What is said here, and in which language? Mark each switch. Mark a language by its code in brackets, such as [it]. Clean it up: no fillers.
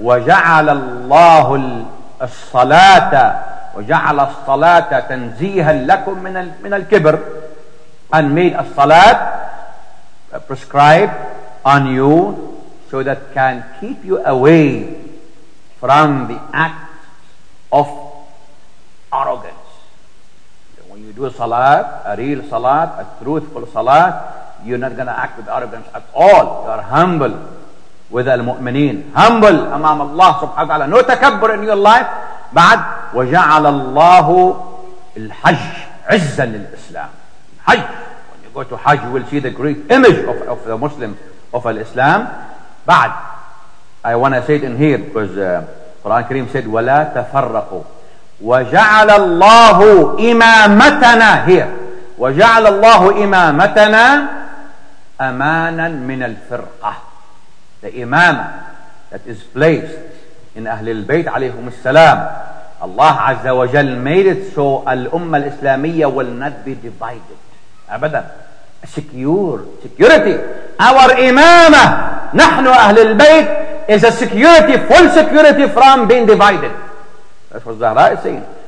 [ar] وَجَعَلَ اللَّهُ الصَّلَاةَ وَجَعَلَ الصَّلَاةَ تَنْزِيهًا لَكُمْ مِنَ الْكِبْرِ [en] and made الصَّلَاةَ prescribed on you so that can keep you away from the act of arrogance. When you do a salat, a real salat, a truthful salat, you're not going to act with arrogance at all. You are humble with al-mu'mineen. Humble amam Allah subhanahu wa ta'ala. No takabbur in your life. [ar] Ba'd, وَجَعَلَ اللَّهُ الْحَجِّ عِزًّا لِلْإِسْلَامِ. [en] Hajj. When you go to Hajj, you will see the great image of the Muslim of al-Islam. Ba'd, I want to say it in here because Quran Kareem said, [ar] وَلَا تَفَرَّقُوا وَجَعَلَ اللَّهُ إِمَامَتَنَا. Here, وَجَعَلَ اللَّهُ إِمَامَتَنَا أَمَانًا مِنَ الْفِرْقَةِ. [en] The imamah, that is placed in Ahlul Bayt alayhum as-salam, Allah Azza wa Jal made it so al-Ummah al-Islamiyya will not be divided. Abada. Secure. Security. Our imamah, nahnu Ahlul Bayt, is a security, full security from being divided. That's what Zahra is saying.